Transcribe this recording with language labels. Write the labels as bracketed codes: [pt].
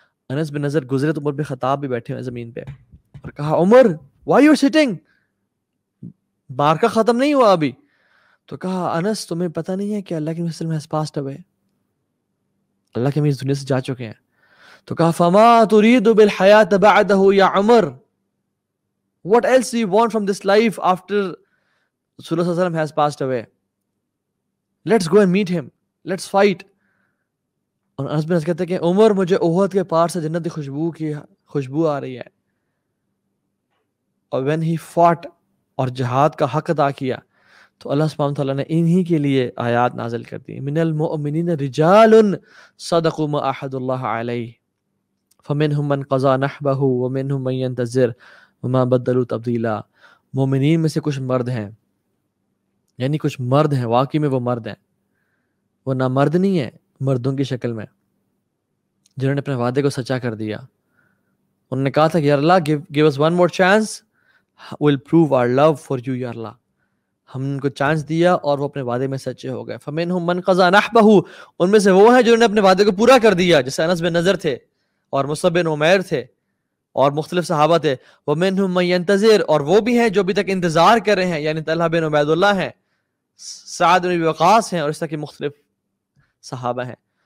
[ur] انس بن نظر گزرے تو عمر بن خطاب بھی بیٹھے ہوئے زمین پہ اور کہا عمر [en] why you sitting, [ur] مارکہ ختم نہیں ہوا ابھی. تو کہا انس تمہیں پتہ نہیں ہے کہ اللہ کے مسلم [en] has passed away, [ur] اللہ کے اس دنیا سے جا چکے ہیں. تو کہا [ar] فما تريد بالحياة بعده يا عمر, [en] what else do you want from this life after رسول اللہ صلی اللہ علیہ وسلم has passed away, let's go and meet him, let's fight. [ur] اور انس بن نظر کہتے کہ عمر مجھے احد کے پار سے جنت کی خوشبو آ رہی ہے. اور [en] when he fought [ur] اور جہاد کا حق ادا کیا تو اللہ سبحانہ وتعالی نے انہی کے لیے آیات نازل کر دی, [ar] من المؤمنین رجال صدقوا ما عاهدوا الله علیه, فَمِنْهُمْ مَنْ قَضَى نَحْبَهُ وَمِنْهُمْ مَنْ يَنْتَظِرْ وَمَا بَدَّلُوا تَبْدِيلًا. [ur] مومنین میں سے کچھ مرد ہیں, یعنی کچھ مرد ہیں واقعی میں, وہ مرد ہیں, وہ نہ مرد نہیں ہیں مردوں کی شکل میں, جنہوں نے اپنے وعدے کو سچا کر دیا. انہوں نے کہا تھا کہ یا اللہ [en] give us one more chance, we'll prove our love for you [ur] یا اللہ. ہم نے ان کو چانس دیا اور وہ اپنے وعدے میں سچے ہو گئے. [ar] فَمِنْهُمْ مَنْ قَضَى نَحْبَهُ, [ur] ان میں سے وہ ہیں جنہوں نے اپنے وعدے کو پورا کر دیا, جیسے انس بن نظر تھے اور مصعب بن عمیر تھے اور مختلف صحابہ تھے. [ar] وَمِنْهُمْ مَنْ يَنْتَظِرْ, [ur] اور وہ بھی ہیں جو ابھی تک انتظار کر رہے ہیں, یعنی طلحہ بن عبیداللہ ہیں, سعد بن ابی وقاص ہیں, اور اس طرح کے مختلف صحابہ ہیں.